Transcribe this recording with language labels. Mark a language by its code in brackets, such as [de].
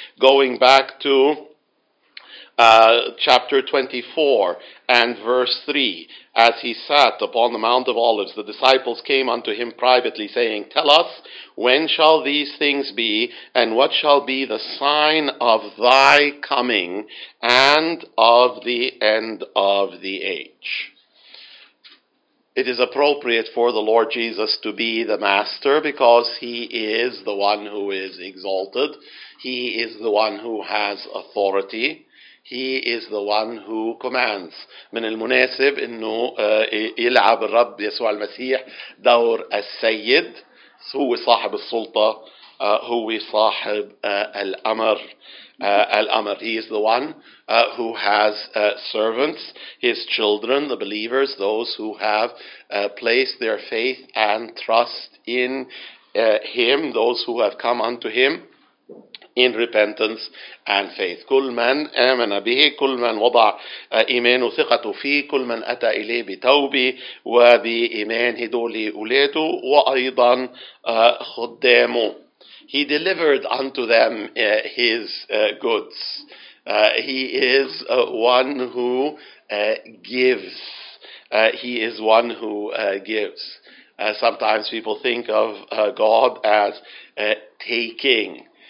[en] Going back to chapter 24 and verse 3, "As he sat upon the Mount of Olives, the disciples came unto him privately, saying, Tell us, when shall these things be, and what shall be the sign of thy coming and of the end of the age?" It is appropriate for the Lord Jesus to be the master because he is the one who is exalted. He is the one who has authority. He is the one who commands. [ar] من المناسب انه يلعب الرب يسوع المسيح دور السيد. هو صاحب السلطة. هو صاحب الأمر. الأمر. [en] He is the one who has servants, his children, the believers, those who have placed their faith and trust in him, those who have come unto him in repentance and faith. [ar] كل من آمن به, كل من وضع إيمانه وثقته فيه, كل من أتى إليه بتوبة وبإيمان, هدول أولاده وأيضا خدامه. [en] He delivered unto them his goods. He is one who gives. He is one who gives. Sometimes people think of God as taking.